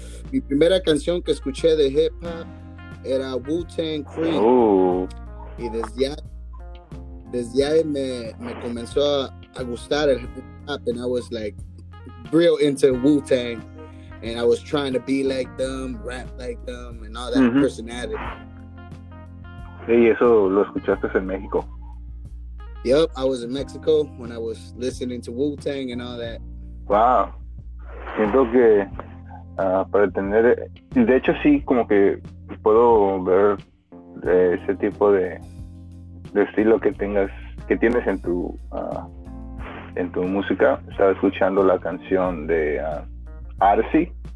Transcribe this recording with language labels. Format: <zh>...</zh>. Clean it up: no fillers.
<es>Mi primera canción que escuché de hip hop era Wu-Tang Clan. Oh. Y desde ahí me comenzó a gustar el hip hop,</es> <en>and I was like real into Wu-Tang, and I was trying to be like them, rap like them, and all that personality.</en> <es>Hey, eso lo escuchaste en México.</es> <en>Yup, I was in Mexico when I was listening to Wu-Tang and all that.</en> <es>Wow. Siento que para tener... De hecho, sí, como que puedo ver ese tipo de estilo que tienes en tu música. Estaba escuchando la canción de Arcy.</es>